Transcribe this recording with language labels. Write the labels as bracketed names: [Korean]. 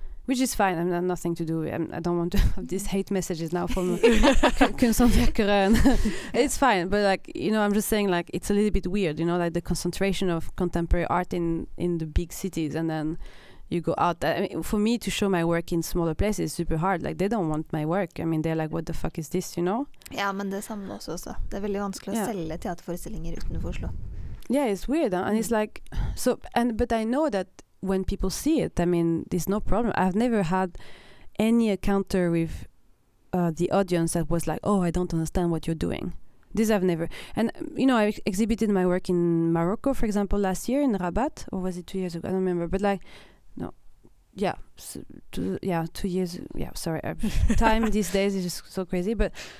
[English] which is fine. I mean, nothing to do. I don't want to have these hate messages now from Kunsthantverkere. It's fine, but like, you know, I'm just saying, like, it's a little bit weird, you know, like the concentration of contemporary art in the big cities, and then you go out. I mean, for me to show my work in smaller places is super hard. Like, they don't want my work. I mean, they're like, what the fuck is this, you know? [Norwegian] Ja, men det samme også. Det veldig vanskelig å selge teaterforestillinger utenfor Oslo. [English] Yeah, it's weird, huh? And it's like, so, and but I know that when people see it, I mean, there's no problem. I've never had any encounter with the audience that was like, oh, I don't understand what you're doing. This I've never, and you know, I exhibited my work in Morocco, for example, last year in Rabat, or was it 2 years ago? I don't remember, but like, no, yeah, so, two years, yeah, sorry, time these days is just so crazy, but.